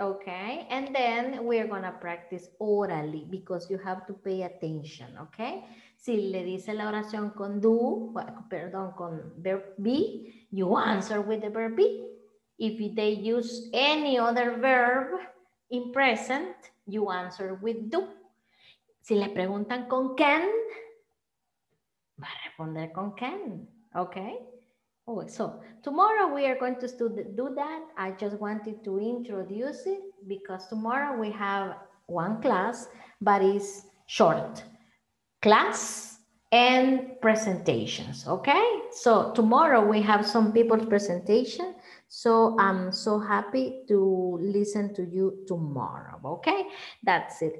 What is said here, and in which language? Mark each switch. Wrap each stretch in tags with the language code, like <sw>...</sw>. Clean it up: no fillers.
<en>Ok, and then we're gonna practice orally because you have to pay attention, ¿ok?</en> <es>Si le dice la oración con con</es> <en>verb be, you answer with the verb be. If they use any other verb in present, you answer with do.</en> <es>Si le preguntan con can, va a responder con can,</es> <en>¿ok? Oh, so tomorrow we are going to do that. I just wanted to introduce it because tomorrow we have one class, but it's short. Class and presentations, okay? So tomorrow we have some people's presentation. So I'm so happy to listen to you tomorrow, okay? That's it.</en>